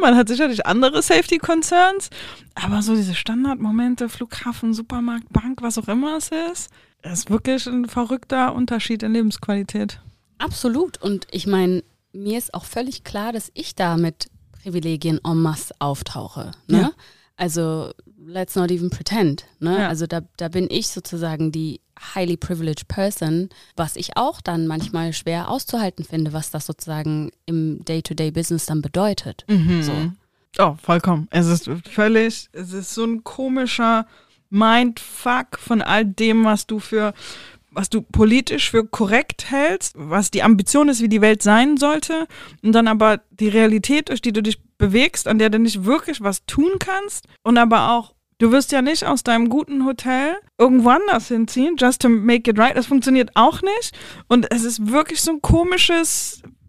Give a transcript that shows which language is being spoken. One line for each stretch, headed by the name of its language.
German: Man hat sicherlich andere Safety-Concerns, aber so diese Standardmomente, Flughafen, Supermarkt, Bank, was auch immer es ist, das ist wirklich ein verrückter Unterschied in Lebensqualität. Absolut. Und ich meine, mir ist auch völlig klar, dass ich da mit Privilegien en masse auftauche. Ne? Ja.
English: Also let's not even pretend.
German: Ne? Ja. Also da bin ich sozusagen die
English: highly privileged person,
German: was ich auch dann manchmal schwer auszuhalten finde, was das sozusagen im Day-to-Day-Business dann bedeutet. Mhm. So. Oh, vollkommen. Es ist so ein komischer Mindfuck von all dem, was du politisch für korrekt hältst, was die Ambition ist, wie die Welt sein sollte, und dann aber die Realität, durch die du dich bewegst, an der du nicht wirklich was tun kannst, und aber auch, du wirst ja nicht aus deinem guten Hotel irgendwo anders hinziehen,
English: just to make it right,
German: das funktioniert auch nicht, und es ist wirklich so ein komisches,